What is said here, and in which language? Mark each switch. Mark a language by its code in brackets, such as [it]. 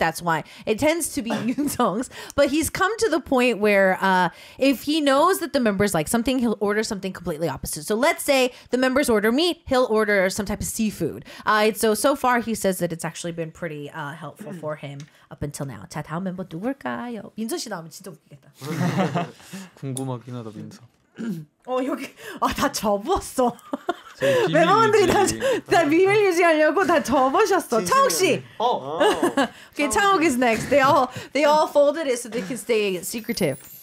[en] That's why it tends to be Yoonsung's. But he's come to the point where if he knows that the members like something, he'll order something completely opposite. So let's say the members order meat, he'll order some type of seafood. So far he says that it's actually been pretty helpful for him. Up until now. [ko] 자 다음 멤버 누굴까요? 민서 씨 나오면 진짜 웃기겠다. 궁금하긴 하다 민서. 여기 다 접었어. 멤버분들이 다 비밀 유지하려고 다 접으셨어. 창욱 씨. 오케이 창욱 [en] is next. They all folded it so they can stay secretive.